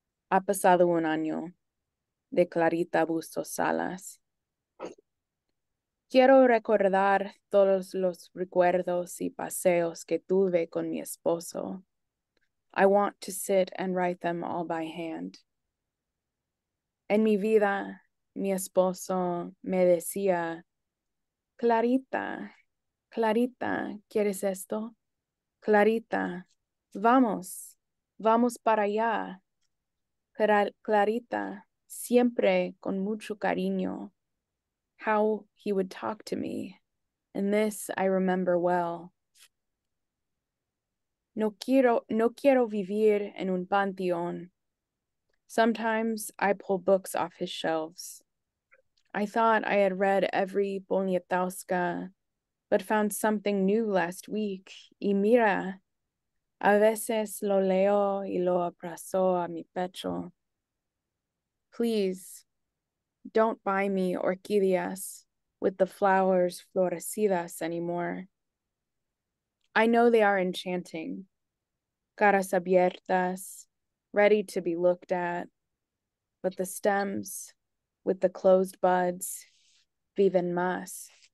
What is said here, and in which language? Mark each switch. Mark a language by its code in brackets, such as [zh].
[es] Ha pasado un año de Clarita Bustos Salas. Quiero recordar todos los recuerdos y paseos que tuve con mi esposo. [en] I want to sit and write them all by hand. [es] En mi vida, mi esposo me decía, Clarita, Clarita, ¿quieres esto? Clarita, vamos, vamos para allá. [en] Clarita, [es] siempre con mucho cariño, [en] how he would talk to me. And this I remember well. [es] No quiero vivir en un panteón. [en] Sometimes I pull books off his shelves. I thought I had read every Poniatowska, but found something new last week. [es] Y mira, a veces lo leo y lo abrazo a mi pecho. [en] Please, don't buy me orquídeas with the flowers [es] florecidas [en] anymore. I know they are enchanting, [es] caras abiertas, [en] ready to be looked at, but the stems with the closed buds, [es] viven más.